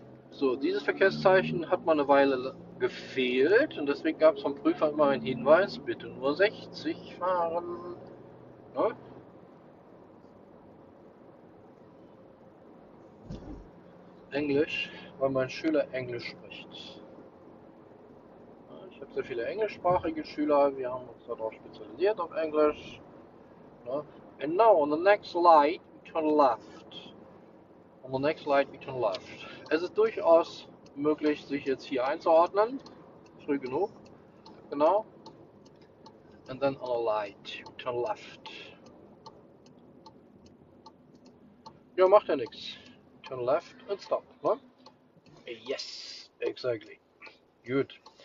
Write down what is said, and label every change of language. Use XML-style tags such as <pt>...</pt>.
<de>So, dieses Verkehrszeichen hat mal eine Weile gefehlt und deswegen gab es vom Prüfer immer einen Hinweis, bitte nur 60 fahren. Ne? Englisch, weil mein Schüler Englisch spricht. Ich habe sehr viele englischsprachige Schüler, wir haben uns darauf spezialisiert auf Englisch. Ne?</de> <en>And now, on the next light, we turn left. On the next light, we turn left.</en> <de>Es ist durchaus möglich, sich jetzt hier einzuordnen. Früh genug. Genau.</de> <en>And then on a light, turn left.</en> <de>Ja, macht ja nichts.</de> <en>Turn left and stop.</en> <de>Ne?</de> <en>Yes, exactly.</en> <de>Gut.</de>